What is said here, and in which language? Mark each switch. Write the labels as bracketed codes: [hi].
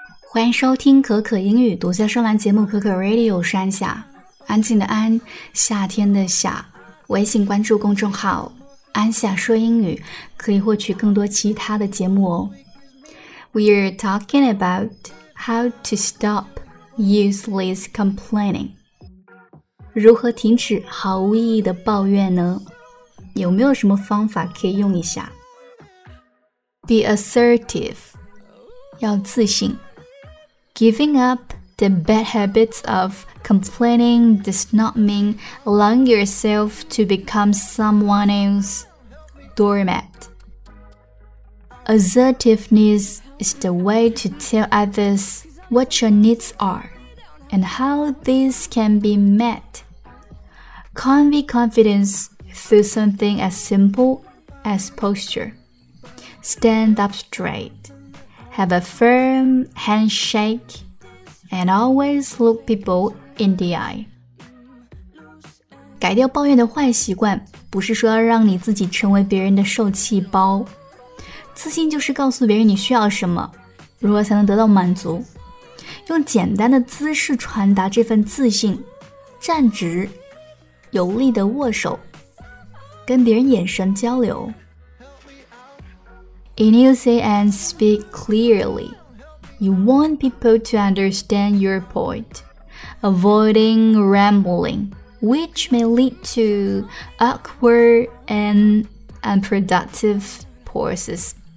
[zh] 欢迎收听可可英语独家专栏节目可可 Radio 山下，安静的安，夏天的夏。微信关注公众号安夏说英语，可以获取更多其他的节目哦。 [en] We're talking about how to stop useless complaining. [zh] 如何停止毫无意义的抱怨呢？有没有什么方法可以用一下？ [en] Be assertive. [zh] 要自信。 [en] Giving up the bad habits of complaining does not mean allowing yourself to become someone else's doormat. Assertiveness is the way to tell others what your needs are and how these can be met. Convey confidence through something as simple as posture. Stand up straight. Have a firm handshake and always look people in the eye. [zh] 改掉抱怨的坏习惯，不是说要让你自己成为别人的受气包。自信就是告诉别人你需要什么，如何才能得到满足。用简单的姿势传达这份自信，站直，有力的握手，跟别人眼神交流。 [en] When you say and speak clearly, you want people to understand your point, avoiding rambling, which may lead to awkward and unproductive pauses.